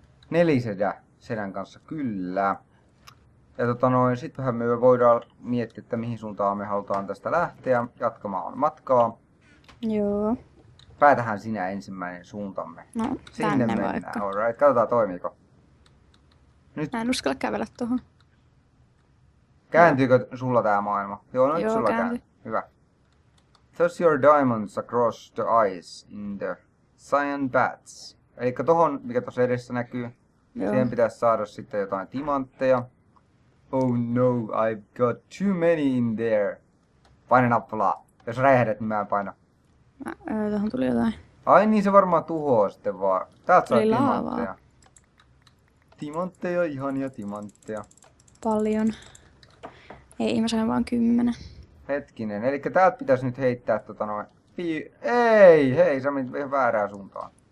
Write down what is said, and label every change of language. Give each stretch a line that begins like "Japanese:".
Finnish: Nelisedän kanssa, kyllä. Ja tota noin, sitten me voidaan miettiä, että mihin suuntaan me halutaan tästä lähteä jatkamaan matkaa. Joo. Päätähän sinä ensimmäinen suuntamme. No, sinne tänne mennään. Vaikka. Alright, katsotaan toimiiko. Nyt. Mä en uskalla kävellä tuohon. Kääntyykö sulla tää maailma? Joo, nyt Joo, sulla kääntyy. Kääntyy. Hyvä.
English: Toss your diamonds across the ice in the cyan bats.
Finnish: Eli tohon, mikä tuossa edessä näkyy, Joo. siihen pitäisi saada sitten jotain timantteja.
English: Oh no, I've got too many in there.
Finnish: Paina nappulaa. Jos räjähdät, niin mä en paina. Tähän tuli jotain. Ai niin, se varmaan tuhoaa sitten vaan. Täältä saa timantteja. Timantteja, ihania timantteja. Paljon. Ei, mä sain vaan 10. Hetkinen, eli täältä pitäisi nyt heittää tota noin... Ei, hei, sä menit ihan väärään suuntaan.